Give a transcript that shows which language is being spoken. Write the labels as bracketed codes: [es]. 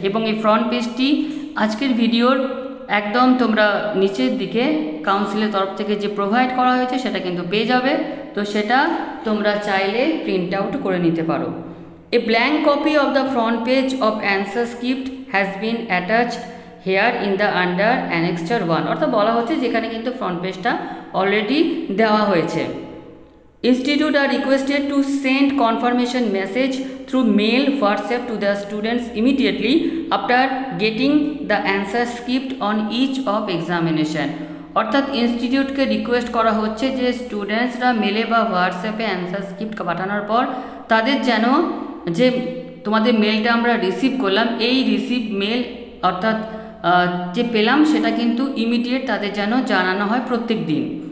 [bn] এবং এই ফ্রন্ট পেজটি আজকের ভিডিওর একদম তোমরা নিচের দিকে কাউন্সিলের তরফ থেকে যে প্রোভাইড করা হয়েছে সেটা কিন্তু পেয়ে যাবে। তো সেটা তোমরা চাইলে প্রিন্ট আউট করে নিতে পারো। [en] A blank copy of the front page of answer script has been attached here in the under annexure 1। [bn] অর্থাৎ বলা হচ্ছে যেখানে কিন্তু ফ্রন্ট পেজটা অলরেডি দেওয়া হয়েছে। [en] Institute are requested to send confirmation message through mail WhatsApp to the students immediately after getting the answer script on each of examination. [bn] অর্থাৎ ইনস্টিটিউটকে request করা হচ্ছে যে স্টুডেন্টসরা মেলে বা হোয়াটসঅ্যাপে অ্যান্সার স্ক্রিপ্ট পাঠানোর পর তাদের যেন যে তোমাদের মেলটা আমরা রিসিভ করলাম এই রিসিভ মেল অর্থাৎ যে পেলাম সেটা কিন্তু ইমিডিয়েট তাদের যেন জানানো হয় প্রত্যেক দিন।